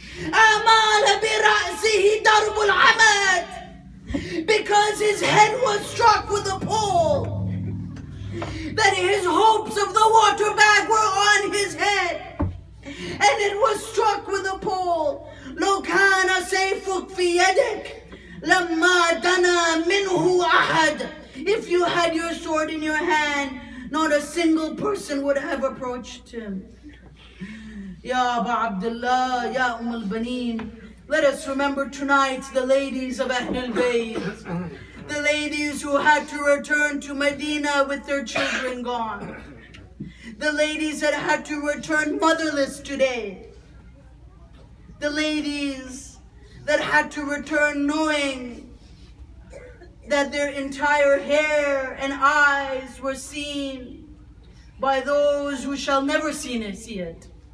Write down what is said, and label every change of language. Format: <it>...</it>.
<ar>أَمَالَ بِرَأْسِهِ دَرْبُ الْعَمَدِ.</ar> <en>Because his head was struck with a pole. That his hopes of the water bag were on his head. And it was struck with a pole.</en> <ar>لو كان سيفك في يدك لما دنا منه أحد.</ar> <en>If you had your sword in your hand, not a single person would have approached him. Ya Aba Abdullah, Ya Umm al-Banin. Let us remember tonight the ladies of Ahlul Bayt, the ladies who had to return to Medina with their children gone, the ladies that had to return motherless today, the ladies that had to return knowing that their entire hair and eyes were seen by those who shall never see it.</en>